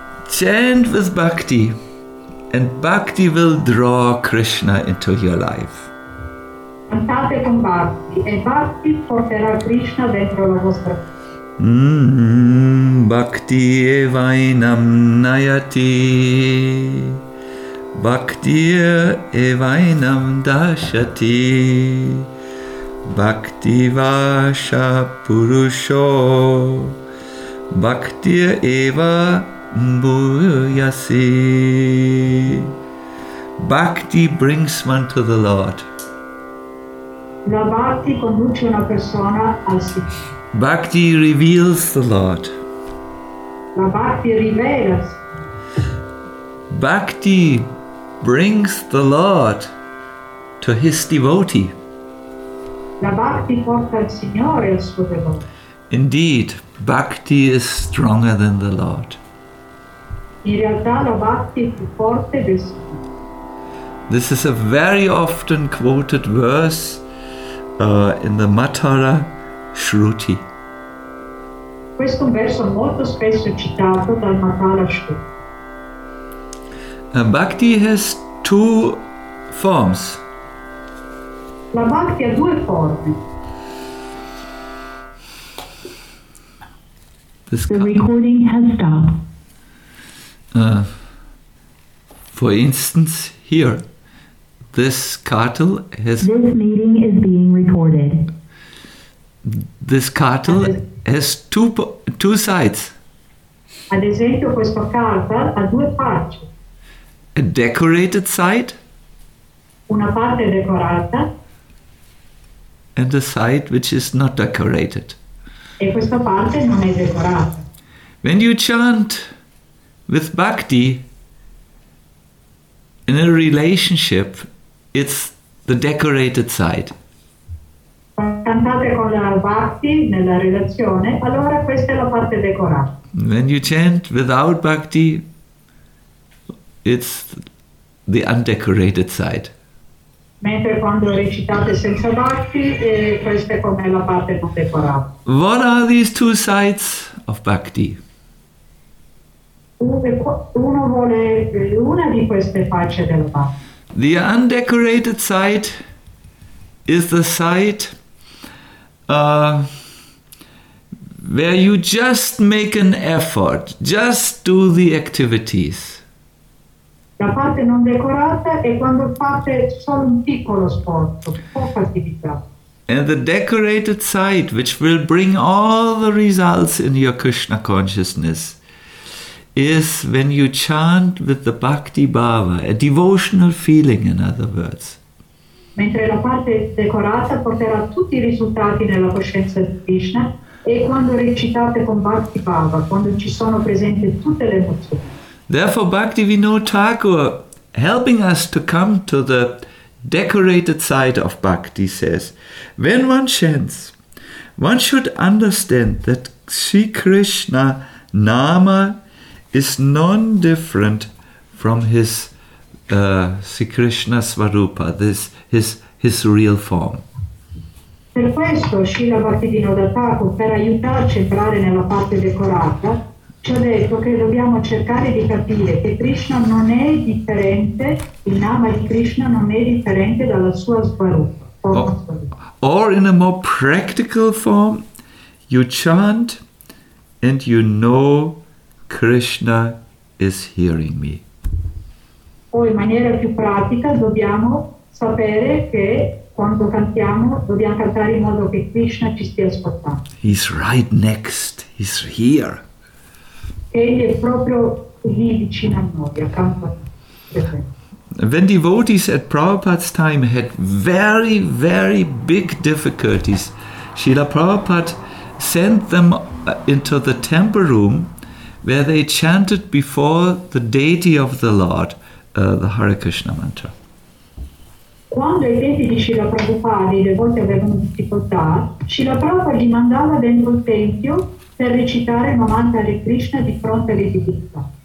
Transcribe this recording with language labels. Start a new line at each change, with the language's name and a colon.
English: Chant with bhakti, and bhakti will draw Krishna into your life.
Italian: Cantate con bhakti, e bhakti porterà Krishna dentro la vostra vita.
Sanskrit: Bhakti evainam nayati, bhakti evainam dashati, bhakti vasha purusho, bhakti eva Buyasi.
English: Bhakti brings one to the Lord.
Italian: La bhakti conduce una persona al Signore.
English: Bhakti reveals the Lord.
Italian: La bhakti rivela.
English: Bhakti brings the Lord to his devotee.
Italian: La bhakti porta il Signore al suo devoto.
English: Indeed, bhakti is stronger than the Lord.
Italian: In realtà la bhakti è più forte del Signore.
English: This is a very often quoted verse in the Matara Shruti.
Italian: Questo è un verso molto spesso citato dal Matara
English: Shruti. And bhakti has two forms.
Italian: La bhakti ha due forme.
English: Recording has stopped. For instance, here, this cattle has. This meeting is being recorded. This cattle has two sides.
Italian: Ad esempio, questa carta ha due facce.
English: A decorated side.
Italian: Una parte decorata.
English: And a side which is not decorated.
Italian: E questa parte non è decorata.
English: When you chant with bhakti in a relationship, it's the decorated side.
Italian: Cantate con la bhakti nella relazione, allora questa è la parte decorata.
English: When you chant without bhakti, it's the undecorated side.
Italian: Mentre quando recitate senza bhakti, questa è come la parte non decorata.
English: What are these two sides of bhakti?
Italian: Uno vuole una di queste facce del bhakti.
English: The undecorated side is the side where you just make an effort, just do the activities.
Italian: La parte non decorata è quando fate solo un piccolo sforzo, poca attività.
English: And the decorated side, which will bring all the results in your Krishna consciousness, is when you chant with the bhakti bhava, a devotional feeling, in other words.
Italian: Mentre la parte decorata porterà tutti i risultati nella coscienza di Krishna, e quando recitate con bhakti bhava, quando ci sono presenti tutte le emozioni.
English: Therefore, Bhakti Vinod Thakur, helping us to come to the decorated side of bhakti, says, when one chants, one should understand that Sri Krishna Nama is non-different from his Sri Krishna Svarupa, his real form.
Italian: Per questo Srila Bhaktivinoda Thakur, per aiutarci a entrare nella parte decorata, ci ha detto che dobbiamo cercare di capire che Krishna non è differente, il nama di Krishna non è differente dalla sua Svarupa.
English: Or in a more practical form, you chant and you know Krishna is hearing me.
Italian: O in maniera più pratica dobbiamo sapere che quando cantiamo dobbiamo cantare in modo che Krishna ci stia ascoltando.
English: He's right next, he's here.
Italian: Egli è proprio lì vicino a noi, accanto a noi.
English: When devotees at Prabhupada's time had very, very big difficulties, Srila Prabhupada sent them into the temple room where they chanted before the deity of the Lord, the Hare Krishna mantra.
Italian: Quando i tempi di Srila Prabhupada, i devoti avevano difficoltà, Srila Prabhupada li mandava dentro il tempio per recitare il mantra di Krishna di fronte alle divinità.